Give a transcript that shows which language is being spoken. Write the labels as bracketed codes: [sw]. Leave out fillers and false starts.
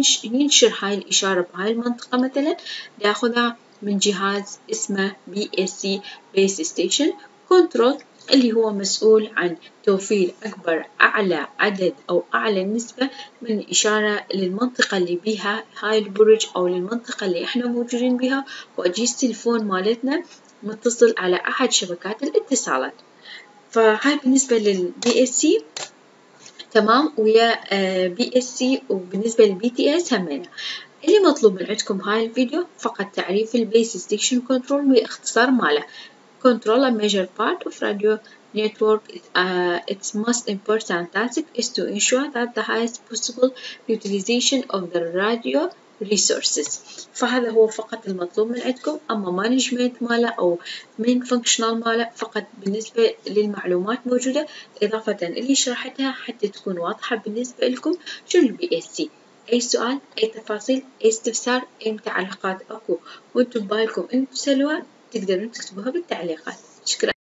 [ar] ينشر هاي الإشارة بهاي المنطقة مثلاً؟ يأخذها من جهاز اسمه BSC Base Station Control اللي هو مسؤول عن توفير أكبر أعلى عدد أو أعلى نسبة من إشارة للمنطقة اللي بيها هاي البرج أو للمنطقة اللي إحنا موجودين بها، وأجهزة التلفون مالتنا متصل على أحد شبكات الاتصالات. فهاي بالنسبة للBSC، تمام، ويا BSC وبالنسبة للBTS همينة. اللي مطلوب من عندكم هاي الفيديو فقط تعريف البيس ستيشن كنترول باختصار ماله. [en] Control a major part of radio network. Its most important task is to ensure that the highest possible utilization of the radio resources. [ar] فهذا هو فقط المطلوب من عندكم، اما مانجمنت ماله او مين فانكشنال ماله فقط بالنسبه للمعلومات موجوده اضافه اللي شرحتها حتى تكون واضحه بالنسبه لكم شنو BSC. اي سؤال، اي تفاصيل، اي استفسار، اي تعليقات اكو وانتم ببالكم انكم تسالوها تقدرون تكتبوها بالتعليقات. شكرا.